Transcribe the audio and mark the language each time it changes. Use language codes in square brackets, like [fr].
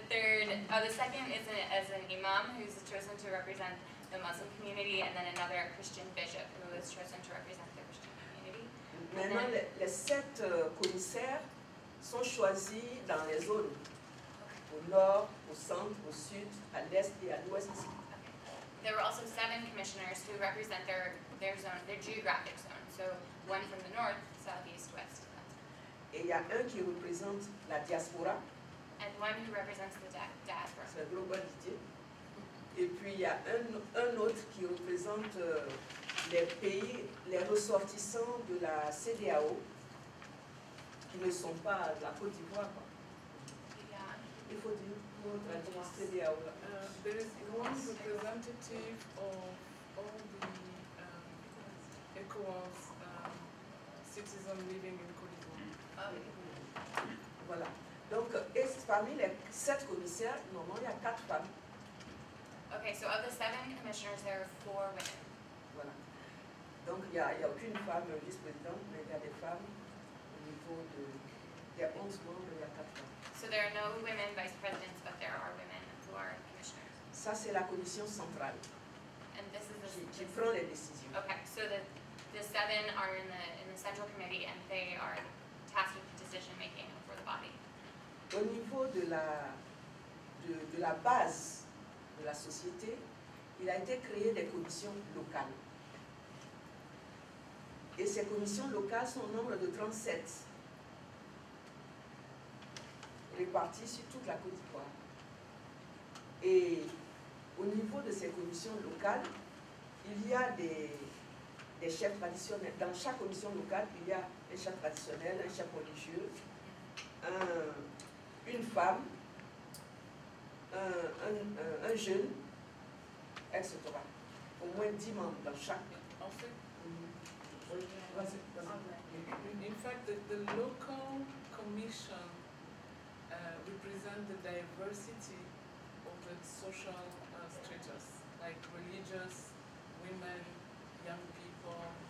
[en] An imam who's chosen to represent the Muslim community, and then another Christian bishop who is chosen to represent the Christian community. [fr] Maintenant, les sept commissaires sont choisis dans les zones, okay. Au nord, au centre, au sud, à l'est et à l'ouest. Okay. [en] There were also seven commissioners who represent their zone, their geographic zone. So one from the north, south, east, west. [fr] Et il y a un qui représente la diaspora. [en] And one who represents the diaspora. [fr] C'est la globalité. Et puis il y a un autre qui représente les pays, les ressortissants de la CDAO, qui ne sont pas de la Côte d'Ivoire. Quoi. Il faut dire pour la CDAO. [en] There is one representative of all the ECOWAS citizens living in Côte d'Ivoire. [fr] Voilà. Donc, et parmi les sept commissaires, normalement, il y a quatre femmes. [en] Okay, so of the seven commissioners, there are four women. [fr] Voilà. Donc, il n'y a aucune femme vice-présidente, mais il y a des femmes au niveau de... Il y a 11 membres, il y a quatre femmes. [en] So there are no women vice-presidents, but there are women who are commissioners. [fr] Ça, c'est la commission centrale. [en] And this is the... [fr] Qui prend les décisions. [en] Okay, so the seven are in the central committee, and they are tasked with decision-making for the body. [fr] Au niveau de la base de la société, il a été créé des commissions locales. Et ces commissions locales sont au nombre de 37, réparties sur toute la Côte d'Ivoire. Et au niveau de ces commissions locales, il y a des chefs traditionnels. Dans chaque commission locale, il y a un chef traditionnel, un chef religieux, une femme, un jeune, etc. Au moins 10 membres dans chaque. En fait, [en] in fact, the local commission represents the diversity of the social status, like religious, women, young people.